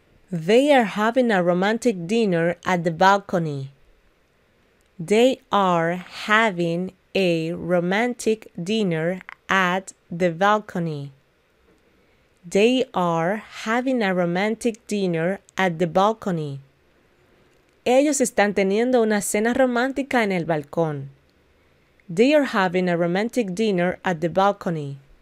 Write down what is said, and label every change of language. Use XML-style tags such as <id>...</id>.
<en>They are having a romantic dinner at the balcony. They are having a romantic dinner at the balcony. They are having a romantic dinner at the balcony.</en> <es>Ellos están teniendo una cena romántica en el balcón.</es> <en>They are having a romantic dinner at the balcony.</en>